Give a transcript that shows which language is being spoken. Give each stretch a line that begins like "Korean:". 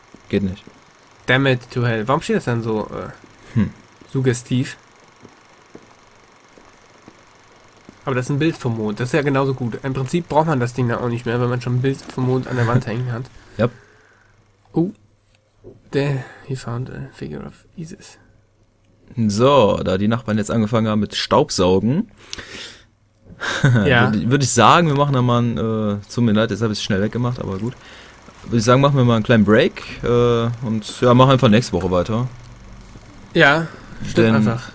German: Geht nicht.
English: Damn it to hell.
German: Warum steht das dann so suggestiv? Aber das ist ein Bild vom Mond. Das ist ja genauso gut. Im Prinzip braucht man das Ding dann auch nicht mehr, wenn man schon ein Bild vom Mond an der Wand hängen hat. Ja. Oh.
English: Der, he found a figure of Isis.
German: So, da die Nachbarn jetzt angefangen haben mit Staubsaugen, ja. würde ich sagen, wir machen da mal tut mir leid, jetzt habe ich es schnell weggemacht, aber gut. Würde ich sagen, machen wir mal einen kleinen Break und ja, machen einfach nächste Woche weiter. Ja, stimmt einfach.